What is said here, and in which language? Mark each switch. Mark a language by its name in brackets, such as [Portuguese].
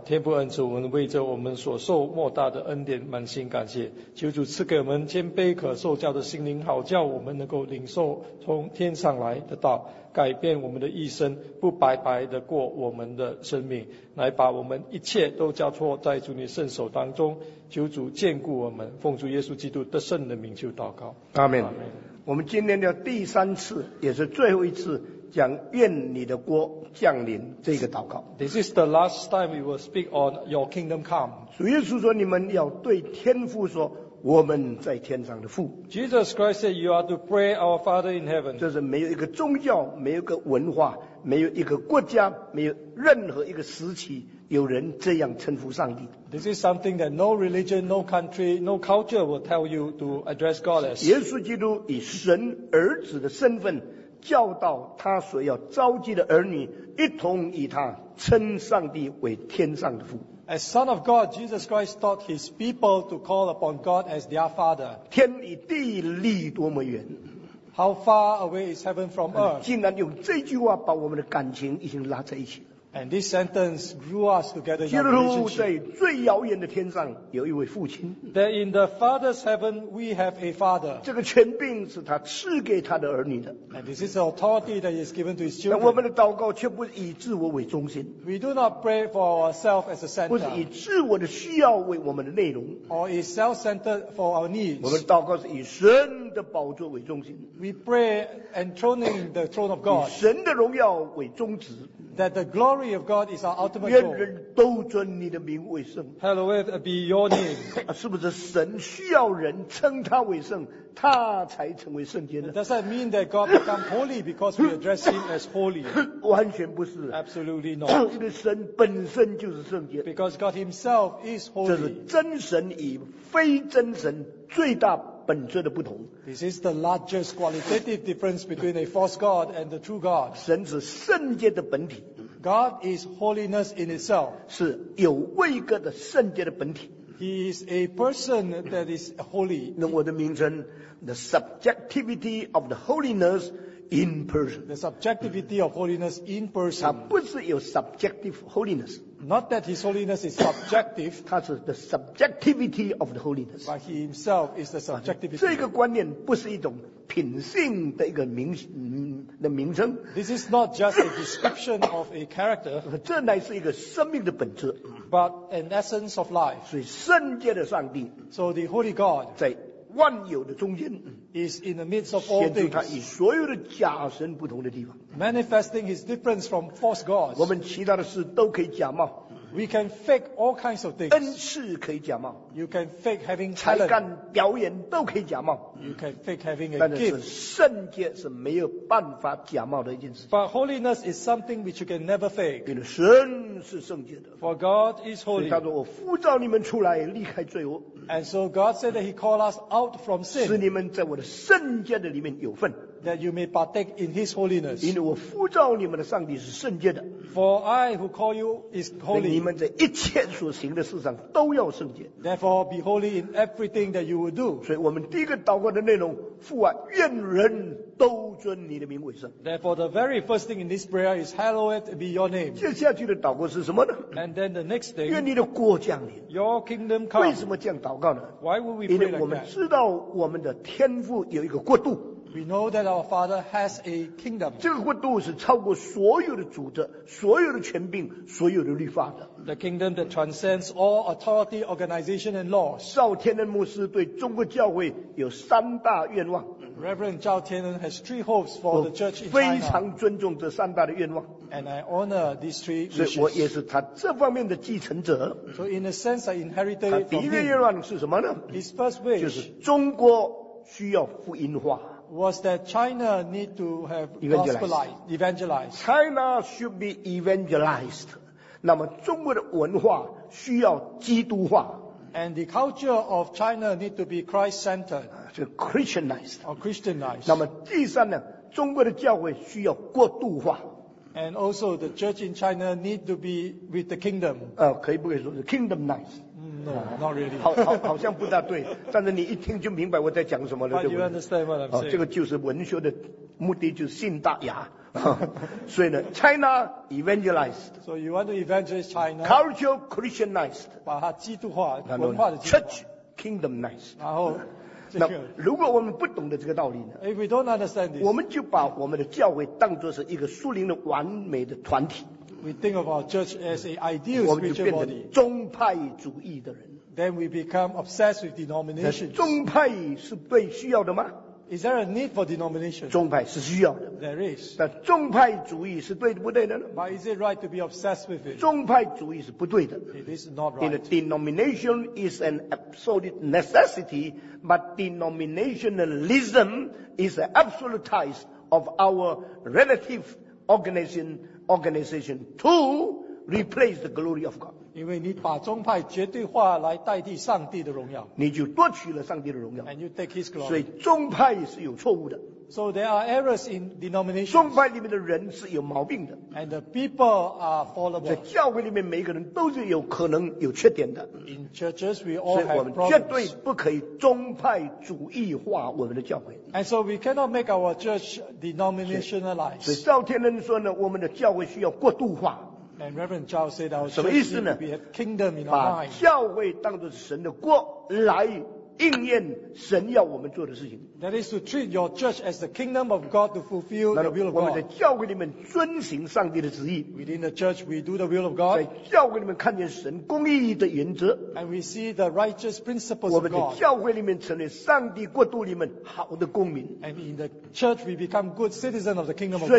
[Chinese] 天父恩主，我们为着我们所受莫大的恩典满心感谢，求主赐给我们谦卑可受教的心灵，好叫我们能够领受从天上来的道，改变我们的一生，不白白的过我们的生命，来把我们一切都交托在主你圣手当中，求主眷顾我们，奉主耶稣基督得胜的名求祷告。阿们。我们今天的第三次也是最后一次讲愿你的国降临这个祷告。 [English] This is the last time we will speak on your kingdom come. [Chinese] 主耶稣说你们要对天父说我们在天上的父。 [English] Jesus Christ said you are to pray our Father in heaven. [Chinese] 这是没有一个宗教，没有一个文化，没有一个国家，没有任何一个时期有人这样称呼上帝。 [English] This is something that no religion, no country, no culture will tell you to address God as. [Chinese] 耶稣基督以神儿子的身份教导他所要召集的儿女一同与他称上帝为天上的父。 [English] As son of God, Jesus Christ taught his people to call upon God as their father. [Chinese] 天与地离多么远。 [English] How far away is heaven from earth? [Chinese] 竟然用这句话把我们的感情已经拉在一起了。 [English] And this sentence grew us together in our relationship. [Chinese] 基督在最遥远的天上有一位父亲。 [English] That in the Father's heaven we have a father. [Chinese] 这个权柄是他赐给他的儿女的。 [English] And this is the authority that is given to his children. [Chinese] 那我们的祷告却不是以自我为中心。 [English] We do not pray for ourselves as a center. [Chinese] 不是以自我的需要为我们的内容。 [English] Or is self-centered for our needs. [Chinese] 我们祷告是以神的宝座为中心。 [English] We pray enthroning the throne of God. [Chinese] 以神的荣耀为宗旨。 [English] That the glory of God is our ultimate goal. [Chinese] 愿人都尊你的名为圣。 [English] Hallowed be your name. [Chinese] 是不是神需要人称他为圣，他才成为圣洁呢？ [English] Does that mean that God become holy because we address him as holy? [Chinese] 完全不是。 [English] Absolutely not. [Chinese] 因为神本身就是圣洁。 [English] Because God himself is holy. [Chinese] 这是真神与非真神最大本质的不同。 [English] This is the largest qualitative difference between a false God and the true God. [Chinese] 神是圣洁的本体。 [English] God is holiness in itself. [Chinese] 是有位格的圣洁的本体。 [English] He is a person that is holy. [Chinese] 用我的名称 [English] ，the subjectivity of the holiness in person. The subjectivity of holiness in person. [Chinese] 他不是有 [English] subjective holiness. Not that his holiness is subjective. [Chinese] 他是 [English] the subjectivity of the holiness. But he himself is the subjectivity. [Chinese] 这个观念不是一种品性的一个名称。 [English] This is not just a description of a character. [Chinese] 这乃是一个生命的本质。 [English] But an essence of life. [Chinese] 所以圣洁的上帝。 [English] So the holy God. [Chinese] 在万有的中间。 [English] Is in the midst of all things. [Chinese] 显出他与所有的假神不同的地方。 [English] Manifesting his difference from false gods. [Chinese] 我们其他的事都可以假冒。 [English] We can fake all kinds of things. [Chinese] 恩赐可以假冒。 [English] You can fake having talent. [Chinese] 才干表演都可以假冒。 [English] You can fake having a [Chinese] 但是圣洁是没有办法假冒的一件事。 [English] But holiness is something which you can never fake. [Chinese] 因为神是圣洁的。 [English] For God is holy. [Chinese] 所以他说我呼召你们出来离开罪恶。 [English] And so God said that he called us out from sin. [Chinese] 使你们在我的圣洁的里面有份。 [English] That you may partake in His holiness. [Chinese] 因为我呼召你们的上帝是圣洁的。 [English] For I who call you is holy. [Chinese] 你们在一切所行的事上都要圣洁。 [English] Therefore, be holy in everything that you will do. [Chinese] 所以我们第一个祷告的内容，父啊，愿人都尊你的名为圣。 [English] Therefore, the very first thing in this prayer is Hallowed be your name. [Chinese] 接下去的祷告是什么呢？ [English] And then the next thing. [Chinese] 愿你的国降临。 [English] Your kingdom come. [Chinese] 为什么这样祷告呢？ [English] Why would we pray like that? [Chinese] 因为我们知道我们的天父有一个国度。 [English] We know that our Father has a kingdom. [Chinese] 这个国度是超过所有的主的，所有的权柄，所有的律法的。 [English] The kingdom that transcends all authority, organization, and laws. [Chinese] 赵天恩牧师对中国教会有三大愿望。 [English] Reverend 赵天恩 has three hopes for the church in China. [Chinese] 非常尊重这三大的愿望。 [English] And I honor these three wishes. [Chinese] 所以我也是他这方面的继承者。 [English] So in a sense, I inherited from him. [Chinese] 他第一个愿望是什么呢？ [English] His first wish. [Chinese] 就是中国需要福音化。 [English] was that China need to have evangelized. China should be evangelized. [Chinese] 那么中国的文化需要基督化。 [English] And the culture of China need to be Christ-centered. [Chinese] 就 [English] Christianized. Or Christianized. [Chinese] 那么第三呢，中国的教会需要过渡化。 [English] And also the church in China need to be with the kingdom. [Chinese] 可以不可以说是 [English] kingdomized? No, not really. [Chinese] 好像不大对，但是你一听就明白我在讲什么了，对不对？ [English] But you understand what I'm saying. [Chinese] 这个就是文学的目的，就是信大雅。所以呢 [English] China evangelized. So you want to evangelize China. Culture Christianized. [Chinese] 把它基督化，文化的基督化。 [English] Church kingdomized. [Chinese] 然后那如果我们不懂得这个道理呢 [English] If we don't understand this, [Chinese] 我们就把我们的教会当作是一个属灵的完美的团体 [English] we think of our church as an ideal spiritual body, [Chinese] 我们就变成宗派主义的人 [English] then we become obsessed with denominations [Chinese] 宗派是被需要的吗 [English] is there a need for denomination [Chinese] 宗派是需要的 [English] there is [Chinese] 但宗派主义是对不对的呢 [English] but is it right to be obsessed with it [Chinese] 宗派主义是不对的 [English] it is not right the denomination is an absolute necessityBut denominationalism is an absolutize of our relative organization to replace the glory of God. [Chinese] 因为你把宗派绝对化来代替上帝的荣耀，你就夺取了上帝的荣耀。 [English] And you take His glory. [Chinese] 所以宗派是有错误的。 [English] So there are errors in denominations. [Chinese] 宗派里面的人是有毛病的。 [English] And the people are fallible. [Chinese] 在教会里面每个人都是有可能有缺点的。 [English] In churches, we all have problems. [Chinese] 所以我们绝对不可以宗派主义化我们的教会。 [English] And so we cannot make our church denominationalized. [Chinese] 所以赵天恩说呢，我们的教会需要过渡化。 [English] And Reverend Zhao said our church needs to be a kingdom in our mind. [Chinese] 什么意思呢？把教会当作是神的国来。应验神要我们做的事情。 [English] That is to treat your church as the kingdom of God to fulfill the will of God. [Chinese] 我们在教会里面遵行上帝的旨意。 [English] Within the church, we do the will of God. [Chinese] 在教会里面看见神公义的原则。 [English] And we see the righteous principles of God. [Chinese] 我们在教会里面成为上帝国度里面好的公民。 [English] And in the church, we become good citizens of the kingdom of God.